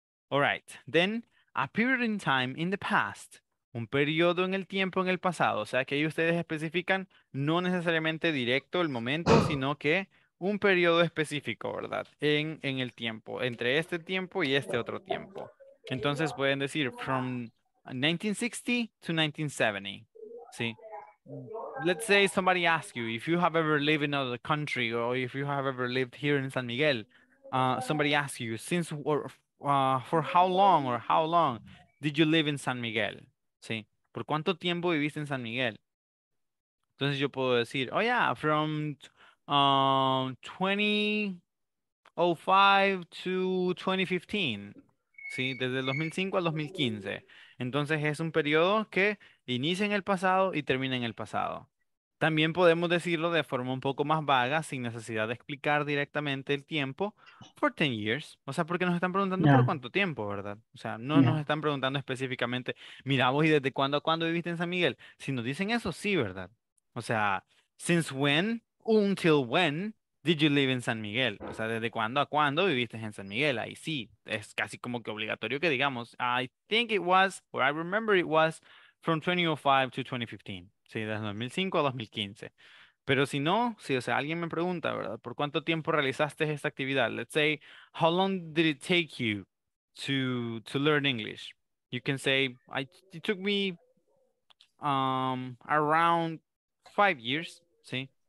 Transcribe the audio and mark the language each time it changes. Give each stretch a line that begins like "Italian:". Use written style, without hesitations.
English: Alright, then, a period in time in the past.
Spanish: Un periodo en el tiempo en el pasado. O sea, que ahí ustedes especifican no necesariamente directo el momento, sino que un periodo específico, ¿verdad? En el tiempo, entre este tiempo y este otro tiempo. Entonces pueden decir
English: from 1960 to 1970,
Spanish: ¿sí?
English: Let's say somebody asks you if you have ever lived in another country or if you have ever lived here in San Miguel. Somebody asks you since or for how long or how long did you live in San Miguel?
Spanish: Sí, ¿por cuánto tiempo viviste en San Miguel? Entonces yo puedo decir,
English: oh yeah, from 2005 to 2015.
Spanish: Sí, desde el 2005 al 2015. Entonces es un periodo que inicia en el pasado y termina en el pasado. También podemos decirlo de forma un poco más vaga, sin necesidad de explicar directamente el tiempo,
English: for 10 years.
Spanish: O sea, porque nos están preguntando por cuánto tiempo, ¿verdad? O sea, no nos están preguntando específicamente, mira vos y desde cuándo a cuándo viviste en San Miguel. Si nos dicen eso, sí, ¿verdad? O sea,
English: since when, until when did you live in San Miguel?
Spanish: O sea, ¿desde cuándo a cuándo viviste en San Miguel? Ahí sí, es casi como que obligatorio que digamos,
English: I think it was, or I remember it was, from 2005 to 2015.
Spanish: Sí, desde 2005 a 2015. Pero si no, si, o sea, alguien me pregunta, ¿verdad? ¿Por cuánto tiempo realizaste esta actividad?
English: Let's say, how long did it take you to learn English? You can say, it took me around 5 years, ¿sí?